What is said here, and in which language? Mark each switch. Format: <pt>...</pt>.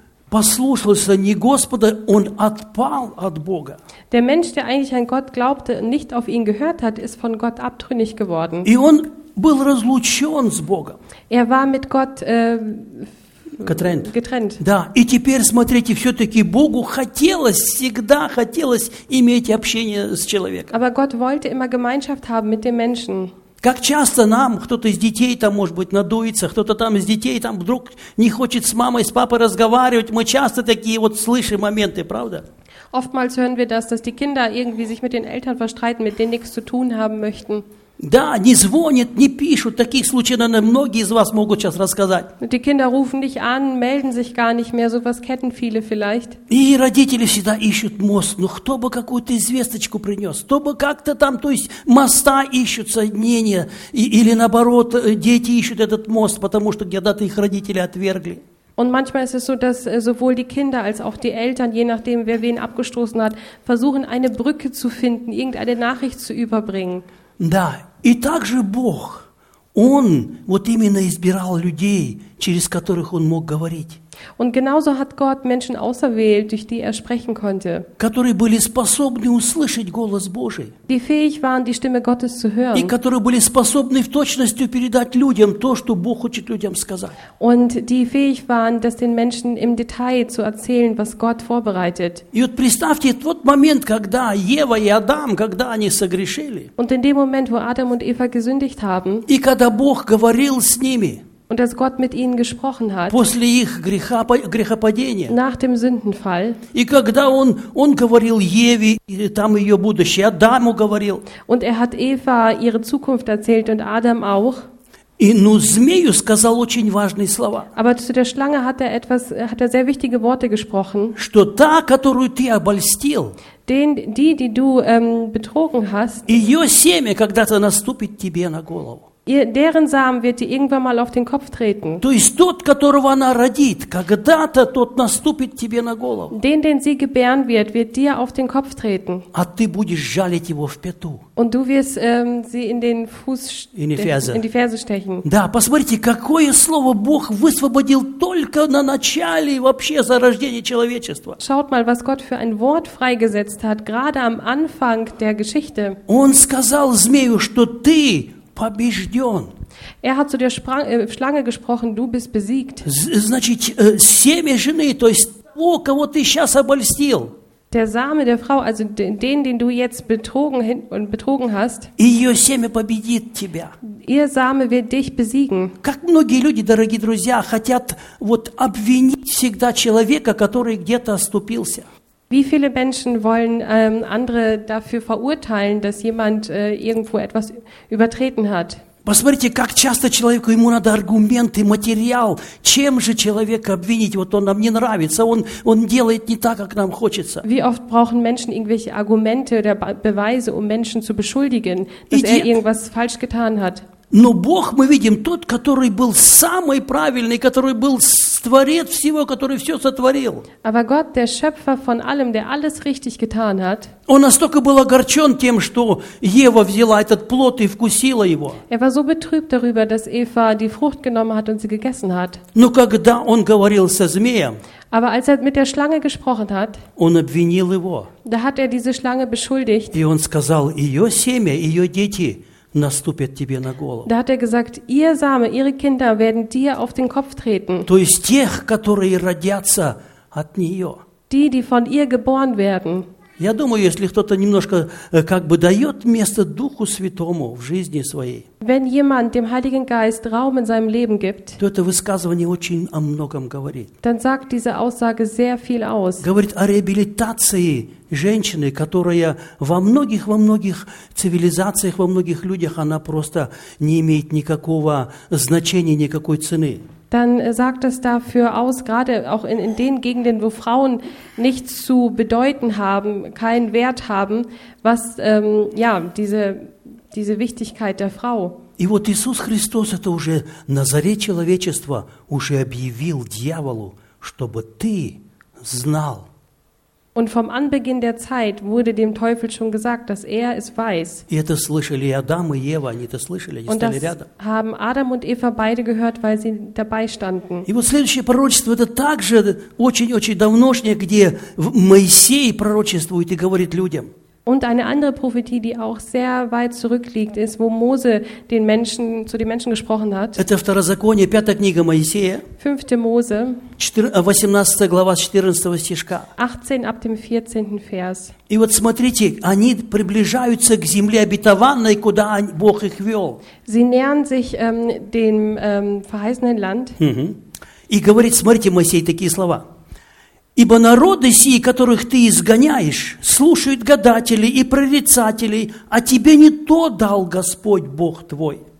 <ru>послушался не Господа, он отпал от Бога.</ru> <de>Der Mensch, der eigentlich an Gott glaubte und nicht auf ihn gehört hat, ist von Gott abtrünnig geworden.</de> <ru>И он был разлучён с Богом.</ru> <de>Er war mit Gott getrennt.</de> <ru>Да, и теперь смотрите, всё-таки Богу хотелось, всегда хотелось иметь общение с человеком.</ru> <de>Aber Gott wollte immer Gemeinschaft haben mit dem Menschen.</de> <ru>Как часто нам кто-то из детей там, может быть, надуется, кто-то там из детей там вдруг не хочет с мамой, с папой разговаривать. Мы часто такие вот слышим моменты, правда?</ru> <de>Oftmals hören wir das, dass die Kinder irgendwie sich mit den Eltern verstreiten, mit denen nichts zu tun haben möchten.</de> <ru>Да, не звонят, не пишут. Таких случаев, наверное, многие из вас могут сейчас рассказать.</ru> <de>Die Kinder rufen nicht an, melden sich gar nicht mehr. Sowas kennen viele vielleicht.</de> <ru>И родители всегда ищут мост. Ну, кто бы какую-то известочку принес? Кто бы как-то там, то есть, моста ищут, соединения. Или наоборот, дети ищут этот мост, потому что когда-то их родители отвергли.</ru> <de>Und manchmal ist es so, dass sowohl die Kinder als auch die Eltern, je nachdem, wer wen abgestoßen hat, versuchen, eine Brücke zu finden, irgendeine Nachricht zu überbringen.</de> <ru>Да, и также Бог, Он вот именно избирал людей, через которых Он мог говорить.</ru> <de>Und genauso hat Gott Menschen auserwählt, durch die er sprechen konnte.</de> <ru>Которые были способны услышать голос Божий.</ru> <de>Die fähig waren, die Stimme Gottes zu hören.</de> <ru>И которые были способны в точности передать людям то, что Бог хочет людям сказать.</ru> <de>Und die fähig waren, das den Menschen im Detail zu erzählen, was Gott vorbereitet.</de> <ru>И вот представьте тот момент, когда Ева и Адам, когда они согрешили.</ru> <de>Und in dem Moment, wo Adam und Eva gesündigt haben.</de> <ru>И когда Бог говорил с ними.</ru> <de>Und dass Gott mit ihnen gesprochen hat.</de> <ru>После их грехопадения.</ru> <de>Nach dem Sündenfall.</de> <ru>И когда он говорил Еве, там ее будущее, Адаму говорил.</ru> <de>Und er hat Eva ihre Zukunft erzählt und Adam auch.</de> <ru>И ну змею сказал очень важные слова.</ru> <de>Aber zu der Schlange hat er sehr wichtige Worte gesprochen.</de> <ru>Что та, которую ты обольстил.</ru> <de>Die du betrogen hast.</de> <ru>Ее семя когда-то наступит тебе на голову.</ru> <de>Deren Samen wird dir irgendwann mal auf den Kopf treten.</de> <ru>То есть тот, которого она родит, когда-то тот наступит тебе на голову.</ru> <de>Den sie gebären wird, wird dir auf den Kopf treten.</de> <ru>А ты будешь жалить его в пяту.</ru> <de>Und du wirst sie in den Fuß in die Ferse stechen.</de> <ru>Да, посмотрите, какое слово Бог высвободил только на начале вообще зарождения человечества.</ru> <de>Schaut mal, was Gott für ein Wort freigesetzt hat, gerade am Anfang der Geschichte.</de> <ru>Он сказал змею, что ты побежден.</ru> <de>Er hat zu der Schlange gesprochen, du bist besiegt.</de> <ru>Значит, семя жены, то есть того, кого ты сейчас обольстил.</ru> <de>Der Same der Frau, also den du jetzt betrogen hast.</de> <ru>Ее семя победит тебя.</ru> <de>Ihr Same wird dich besiegen.</de> <ru>Как многие люди, дорогие друзья, хотят вот обвинить всегда человека, который где-то оступился.</ru> <de>Wie viele Menschen wollen andere dafür verurteilen, dass jemand irgendwo etwas übertreten hat?</de> <ru>Посмотрите, как часто человеку ему надо аргументы, материал. Чем же человека обвинить? Вот он нам не нравится, он делает не так, как нам хочется.</ru> <de>Wie oft brauchen Menschen irgendwelche Argumente oder Beweise, um Menschen zu beschuldigen, dass er irgendwas falsch getan hat?</de> <ru>Но Бог, мы видим, тот, который был самый правильный, который был творец всего, который все сотворил.</ru> <de>Aber Gott, der Schöpfer von allem, der alles richtig getan hat.</de> <ru>Он настолько был огорчен тем, что Ева взяла этот плод и вкусила его.</ru> <de>Er war so betrübt darüber, dass Eva die Frucht genommen hat und sie gegessen hat.</de> <ru>Но когда он говорил со змеем,</ru> <de>Aber als er mit der Schlange gesprochen hat,</de> <ru>он обвинил его.</ru> <de>Da hat er diese Schlange beschuldigt.</de> <ru>И он сказал, ее семя, ее дети наступят тебе на голову.</ru> <de>Da hat er gesagt, ihr Same, ihre Kinder werden dir auf den Kopf treten.</de> <ru>То есть тех, которые родятся от нее.</ru> <de>Die von ihr geboren werden.</de> <ru>Я думаю, если кто-то немножко как бы дает место Духу Святому в жизни своей.</ru> <de>Wenn jemand dem Heiligen Geist Raum in seinem Leben gibt.</de> <ru>То это высказывание очень о многом говорит.</ru> <de>Dann sagt diese Aussage sehr viel aus.</de> <ru>Говорит о реабилитации женщины, которая во многих цивилизациях, во многих людях, она просто не имеет никакого значения, никакой цены.</ru> <de>Dann sagt es dafür aus, gerade auch in den Gegenden, wo Frauen nichts zu bedeuten haben, keinen Wert haben, was diese Wichtigkeit der Frau.</de> <ru>И вот Иисус Христос это уже на заре человечества уже объявил дьяволу, чтобы ты знал.</ru> <de>Und vom Anbeginn der Zeit wurde dem Teufel schon gesagt, dass er es weiß. Und das haben Adam und Eva beide gehört, weil sie dabei standen.</de> <ru>И вот следующее пророчество, это также очень-очень давношнее, где Моисей пророчествует и говорит людям.</ru> <de>Und eine andere Prophetie, die auch sehr weit zurückliegt, ist, wo Mose den Menschen, zu den Menschen gesprochen hat.</de> <ru>Это Второзаконие, пятая книга Моисея.</ru> <de>5. Mose.</de> <ru>18. глава, 14. стишка.</ru> <de>18 ab dem 14. Vers.</de> <ru>И вот смотрите, они приближаются к земле обетованной, куда Бог их вел.</ru> <de>Sie nähern sich dem verheißenen Land.</de> <ru>И говорит, смотрите, Моисей, такие слова. Ибо народы сии, которых ты изгоняешь, слушают гадателей и прорицателей, а тебе не то дал Господь Бог твой.</ru>